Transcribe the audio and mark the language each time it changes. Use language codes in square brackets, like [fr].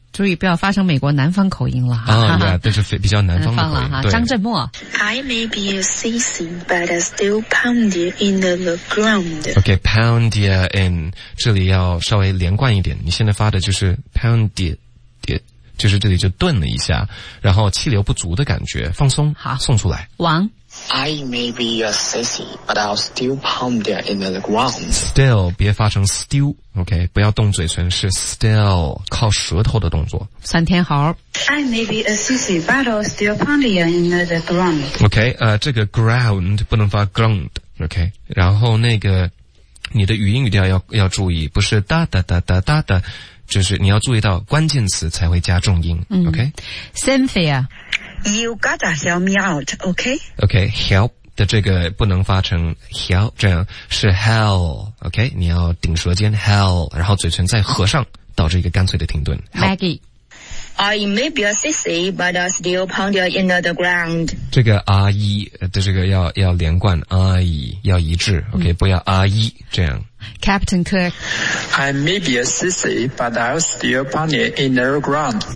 [zh] 注意不要发成美国南方口音了哈。啊呀，这是比较南方的口音。南方了哈，张振墨。 [en] I may be a sissy, but I still pound you in the ground. [zh] Okay, [en] pound you in, [zh] 这里要稍微连贯一点，你现在发的就是 pound you, 就是这里就顿了一下，然后气流不足的感觉，放松，好，送出来。王。 [en] I may be a sissy, but I'll still pound you in the ground. [zh] Still, 别发成 still, okay, 不要动嘴唇，是 still, 靠舌头的动作。酸甜猴。 [en] I may be a sissy, but I'll still pound you in the ground. Okay, [zh] 这个 [en] ground [zh] 不能发 [en] ground, okay? [zh] 然后那个你的语音语调要注意，不是哒哒哒哒哒哒，就是你要注意到关键词才会加重音、okay? [en] Cynthia, you gotta help me out, okay? [zh] Okay, help的这个不能发成 help, 这样是 hell, OK? 你要顶舌尖 hell, 然后嘴唇再合上导致一个干脆的停顿。 [en] Help. Maggie, I may be a sissy, but I still pound you in the ground. [zh] 这个 R-E 的这个要连贯 R-E 要一致 OK,、不要 R-E 这样。 [en] Captain Kirk, I may be a sissy, but I still pound you in the ground.